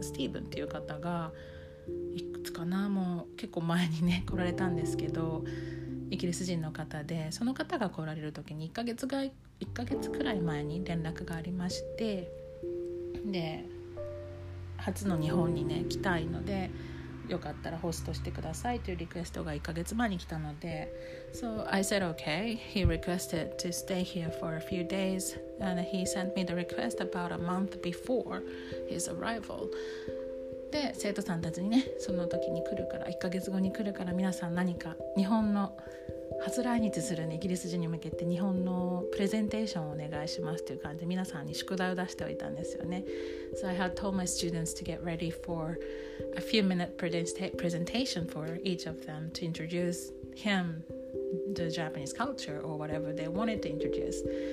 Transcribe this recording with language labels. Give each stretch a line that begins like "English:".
Japanese: Stephen っていう方がいくつかな、もう結構前にね来られたんですけど、イギリス人の方で、その方が来られる時に1ヶ月くらい前に連絡がありまして、で初の日本にね来たいので、よかったらホストしてくださいというリクエストが1ヶ月前に来たので、
English: So I said okay. He requested to stay here for a few days and he sent me the request about a month before his arrival.
Japanese: で、生徒さんたちにね、その時に来るから1ヶ月後に来るから皆さん何か日本の初来日する、ね、イギリス人に向けて日本のプレゼンテーションをお願いしますという感じで皆さんに宿題を出しておいたんですよね。
English: So I had told my students to get ready for a few minute presentation for each of them to introduce him the Japanese culture or whatever they wanted to introduce.